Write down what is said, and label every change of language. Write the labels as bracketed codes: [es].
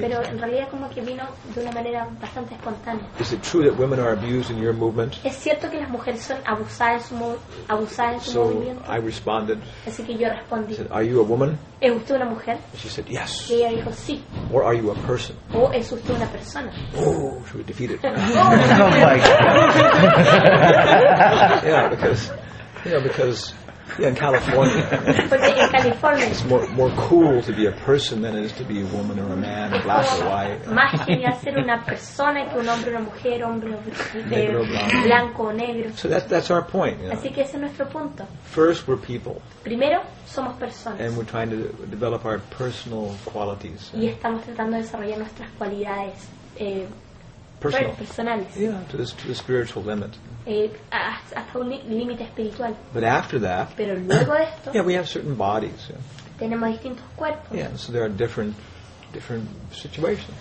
[es] Pero en realidad como que vino de una manera bastante espontánea. [en] Is it true that women are abused in your movement? [es] ¿Es cierto que las mujeres son abusadas en su [en] so [es] movimiento? [en] I responded. [es] Así que yo respondí. [en] Said, are you a woman? [es] ¿Es usted una mujer? [en] She said, yes. [es] Y ella dijo sí. [en] Or are you a person? [es] ¿O es usted una persona? [en] Oh, she was defeated. Oh my God. Yeah, because. Yeah, in California. [es] Porque en California. [en] It's more cool to be a person than it is to be a woman or a man, black or white. [es] Más genial ser una persona que un hombre o una mujer, hombre o blanco o negro. [en] So that's our point. You know. [es] Así que ese es nuestro punto. [en] First, we're people. [es] Primero, somos personas. [en] And we're trying to develop our personal qualities. [es] Y estamos tratando de desarrollar nuestras cualidades personales. [en] Yeah, to the spiritual limit. [es] Hasta un límite espiritual. [en] But after that, [es] pero luego de esto, [en] yeah, we have certain bodies. Yeah. [es] Tenemos distintos cuerpos. [en] Yeah, so there are different situations.